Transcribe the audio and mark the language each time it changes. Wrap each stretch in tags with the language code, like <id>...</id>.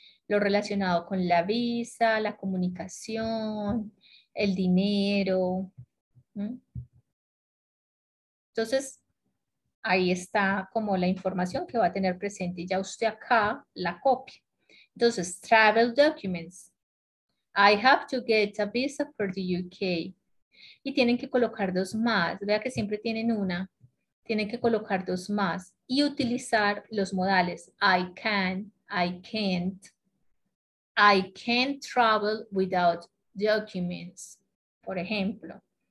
<es>Lo relacionado con la visa, la comunicación, el dinero. Entonces, ahí está como la información que va a tener presente. Y ya usted acá la copia.</es> <en>Entonces, travel documents. I have to get a visa for the UK.</en> <es>Y tienen que colocar dos más. Vea que siempre tienen una. Tienen que colocar dos más. Y utilizar los modales.</es> <en>I can, I can't. I can't travel without documents,</en> <es>por ejemplo.</es>